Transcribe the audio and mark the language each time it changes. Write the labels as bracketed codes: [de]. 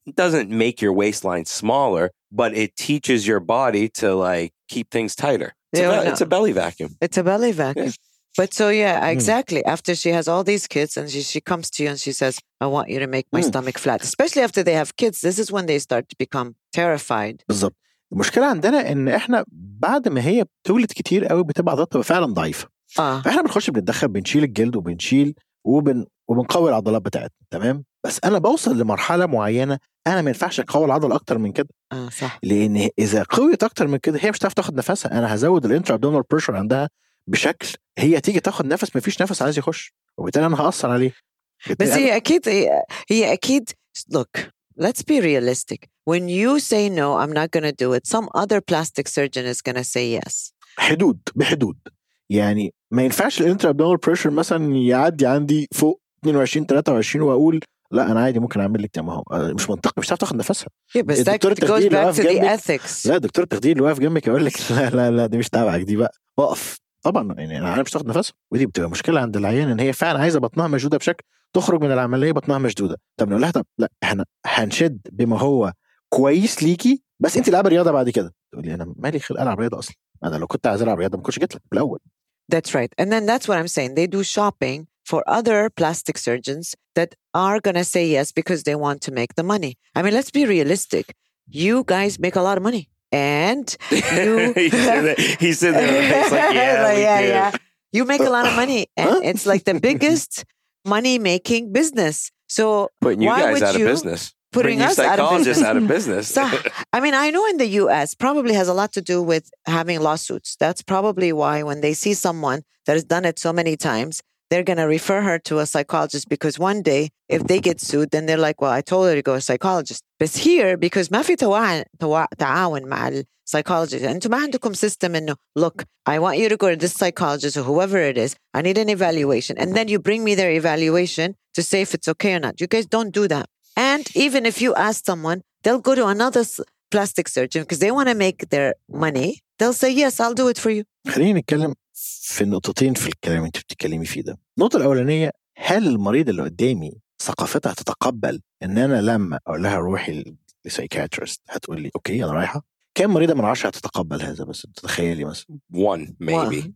[en] It doesn't make your waistline smaller, but it teaches your body to like keep things tighter. It's a belly vacuum. It's a belly vacuum. Yeah. But so, yeah, exactly. After she has all these kids and she comes to you and she says, I want you to make my stomach flat. Especially after they have kids, this is when they start to become terrified. [ar] بالضبط. المشكلة عندنا إن إحنا بعد ما هي بتولد كتير قوي بتبقى عضلاتها فعلا ضعيفة. فإحنا بنخش بنتدخل بنشيل الجلد وبنشيل وبنقوي العضلات بتاعتنا. تمام؟ بس أنا بوصل لمرحلة معينة أنا ما ينفعش أقوي العضل أكتر من كده. صح. لأن إذا قويت أكتر من كده هي مش هتعرف تاخد نفسها. أنا هزود الانترا ابدومينال بريشر عندها بشكل هي تيجي تاخد نفس ما فيش نفس عايز يخش. وبالتالي أنا هأثر عليه. بس هي أكيد [en] look, let's be realistic. When you say no, I'm not gonna do it, some other plastic surgeon is gonna say yes. [ar] حدود بحدود. يعني ما ينفعش الانترا ابدومينال بريشر مثلا يعدي عندي فوق 22 23 وأقول لا انا عادي ممكن اعمل لك تمام. مش منطقي، مش هتعرف تاخد نفسها. الدكتور التخدير اللي واقف جنبك، لا دكتور التخدير اللي واقف جنبك يقول لك لا لا لا دي مش تبعك دي بقى وقف. طبعا يعني انا مش هتاخد نفسها. ودي بتبقى مشكله عند العيان ان هي فعلا عايزه بطنها مشدوده بشكل تخرج من العمليه بطنها مشدوده. طب نقول لها طب لا احنا هنشد بما هو كويس ليكي، بس انت لعبه رياضه بعد كده. تقول لي انا مالي خلق العب رياضه اصلا، انا لو كنت عايز العب رياضه ما كنتش جيت لك الاول. [en] That's right. And then that's what I'm saying. They do shopping for other plastic surgeons that are going to say yes because they want to make the money. I mean, let's be realistic. You guys make a lot of money. And you... He said that. You make a lot of money. And it's like the biggest money-making business. So putting why you guys would out you... of business. Putting us psychologists out of business. So, I mean, I know in the U.S. probably has a lot to do with having lawsuits. That's probably why when they see someone that has done it so many times, they're going to refer her to a psychologist because one day, if they get sued, then they're like, well, I told her to go to a psychologist. But here, because [ar] ما في تعاون مع [en] psychologist, and [ar] ما عندكم [en] system, and look, I want you to go to this psychologist or whoever it is. I need an evaluation. And then you bring me their evaluation to say if it's okay or not. You guys don't do that. And even if you ask someone, they'll go to another plastic surgeon because they want to make their money. They'll say, yes, I'll do it for you. [ar] خليني نتكلم في النقطتين في الكلام انت بتتكلمي فيه ده. النقطة الأولانية, هل المريض اللي قدامي ثقافتها تتقبل ان انا لما اقول لها روحي للسايكياتريست هتقول لي اوكي انا رايحة؟ كم مريضة من 10 هتتقبل هذا؟ بس تتخيلي مثلا [en] 1 maybe.